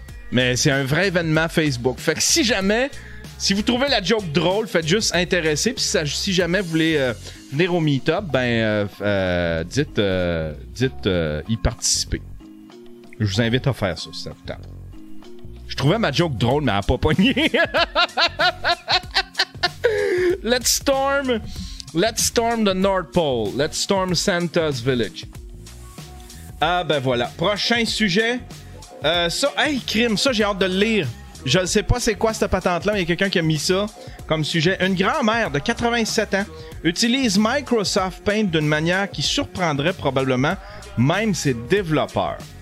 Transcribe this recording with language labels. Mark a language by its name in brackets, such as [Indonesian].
[French] Mais c'est un vrai événement Facebook. Fait que si jamais... Si vous trouvez la joke drôle, faites juste intéresser. Puis si jamais vous voulez venir au meet-up, ben dites y participer. Je vous invite à faire ça si ça vous tente. Je trouvais ma joke drôle, mais elle n'a pas pogné. [English] Let's storm the North Pole. Let's storm Santa's Village. [French] Ah ben voilà. Prochain sujet. Hey, crime, ça j'ai hâte de le lire. Je ne sais pas c'est quoi cette patente-là, mais il y a quelqu'un qui a mis ça comme sujet. Une grand-mère de 87 ans utilise Microsoft Paint d'une manière qui surprendrait probablement même ses développeurs.